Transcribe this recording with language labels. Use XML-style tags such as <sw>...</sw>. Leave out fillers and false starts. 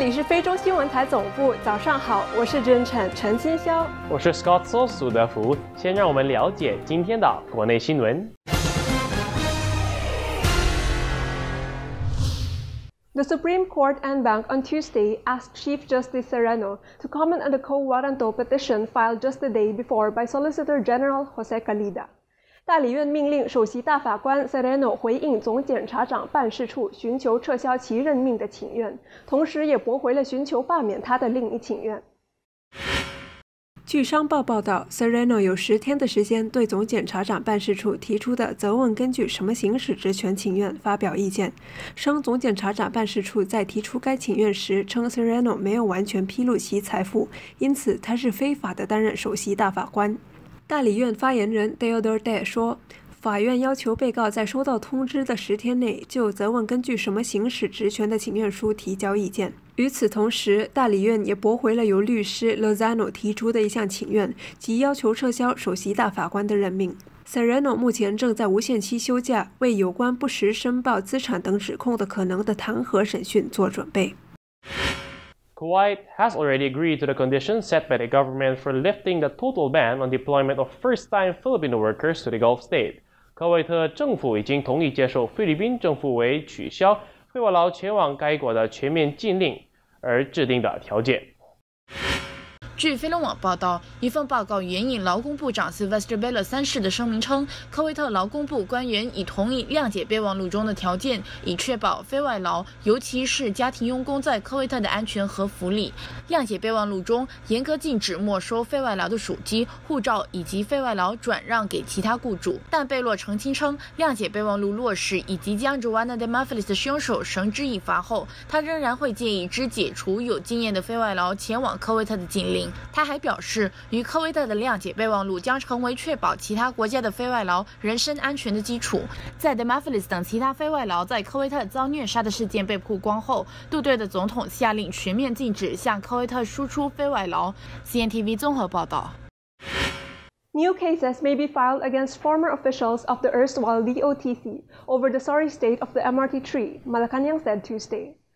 <zh>卫中新闻台总部，早上好，我是真诚陈清霄，我是 Scott Soul 苏德福。先让我们了解今天的国内新闻。</zh> <en>The Supreme Court en banc on Tuesday asked Chief Justice Serrano to comment on the Co Warranto petition filed just the day before by Solicitor General Jose Calida.</en> <zh>大理院命令首席大法官 Serrano 回应总检察长办事处寻求撤销其任命的请愿，同时也驳回了寻求罢免他的另一请愿。据商报报道， Serrano 有十天的时间对总检察长办事处提出的责问根据什么行使职权请愿发表意见。升总检察长办事处在提出该请愿时称 Serrano 没有完全披露其财富，因此他是非法的担任首席大法官。大理院发言人 Deodor Day 说，法院要求被告在收到通知的十天内就责问根据什么行使职权的请愿书提交意见。与此同时，大理院也驳回了由律师 Lozano 提出的一项请愿，即要求撤销首席大法官的任命。 Serrano 目前正在无限期休假，为有关不实申报资产等指控的可能的弹劾审讯做准备。</zh> <en>Kuwait has already agreed to the conditions set by the government for lifting the total ban on deployment of first-time Filipino workers to the Gulf state.</en> <zh>科威特政府已经同意接受菲律宾政府为取消惠瓦劳前往该国的全面禁令而制定的条件。据菲龙网报道，一份报告援引劳工部长 Sylvester Vela 三世的声明称，科威特劳工部官员已同意谅解备忘录中的条件，以确保非外劳，尤其是家庭佣工在科威特的安全和福利。谅解备忘录中严格禁止没收非外劳的手机、护照以及非外劳转让给其他雇主，但贝洛澄清称，谅解备忘录落实以及将 Joanna de Mafilis 的凶手绳之以法后，他仍然会建议只解除有经验的非外劳前往科威特的禁令。他还表示，与科威特的谅解备忘录将成为确保其他国家的非外劳人身安全的基础。在 De Mafilis 等其他非外劳在科威特遭虐杀的事件被曝光后，杜特的总统下令全面禁止向科威特输出非外劳。 CNTV 综合报道。</zh> <en>New cases may be filed against former officials of the erstwhile DOTC over the sorry state of the MRT tree, Malacanang said Tuesday.</en>